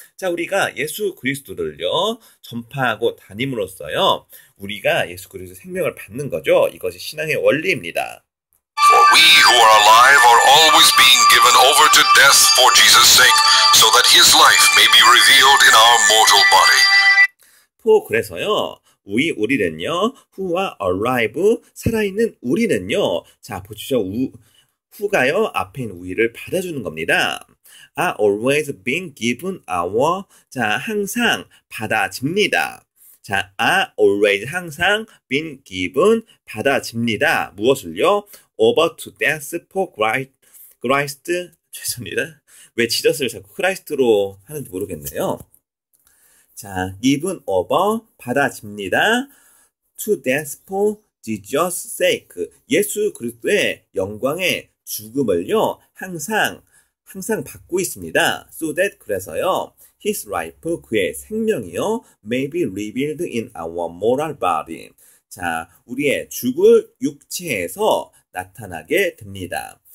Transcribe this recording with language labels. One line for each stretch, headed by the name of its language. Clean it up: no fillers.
Korean: 자, 우리가 예수 그리스도를요, 전파하고 다님으로써요, 우리가 예수 그리스도의 생명을 받는 거죠. 이것이 신앙의 원리입니다.
English: For we who are alive are always being given over to death for Jesus' sake, so that his life may be revealed in our mortal body.
Korean: 그래서요, 우리는요,
English: who are alive,
Korean: 살아있는 우리는요, 자, 보시죠, who가요, 앞에 있는 우리를 받아주는 겁니다.
English: Are always being given our,
Korean: 자, 항상 받아집니다. 자,
English: are always
Korean: 항상
English: been given
Korean: 받아집니다. 무엇을요?
English: Over to death for Christ,
Korean: 죄송합니다. 왜 지저스를 자꾸 크라이스트로 하는지 모르겠네요.
English: 자, given over,
Korean: 받아집니다.
English: To death for Jesus' sake.
Korean: 예수 그리스도의 영광의 죽음을요, 항상 받고 있습니다.
English: So that,
Korean: 그래서요,
English: his life,
Korean: 그의 생명이요,
English: may be revealed in our mortal body.
Korean: 자, 우리의 죽을 육체에서 나타나게 됩니다.